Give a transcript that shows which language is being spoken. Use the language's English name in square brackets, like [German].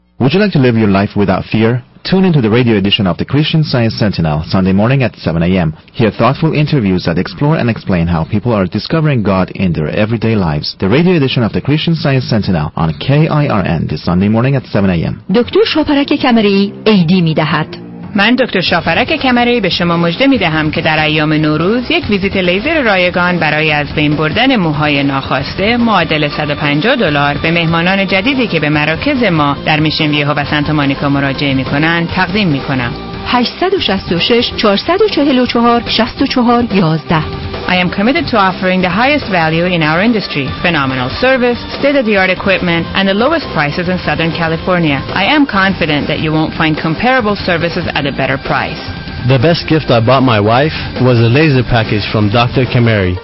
[English] Would you like to live your life without fear? Tune into the radio edition of the Christian Science Sentinel Sunday morning at 7 a.m. Hear thoughtful interviews that explore and explain how people are discovering God in their everyday lives. The radio edition of the Christian Science Sentinel on KIRN this Sunday morning at 7 a.m. [Persian] دکتر شاپرک کمری AD می دهد. من دکتر شاپرک کمری به شما مژده می دهم که در ایام نوروز یک ویزیت لیزر رایگان برای از بین بردن موهای ناخواسته معادل $150 به مهمانان جدیدی که به مراکز ما در میشن ویهو و سانتا مونیکا مراجعه می کنند تقدیم می کنم. 866-444-6411. [English] I am committed to offering the highest value in our industry. Phenomenal service, state-of-the-art equipment, and the lowest prices in Southern California. I am confident that you won't find comparable services at a better price. The best gift I bought my wife was a laser package from Dr. Kamari.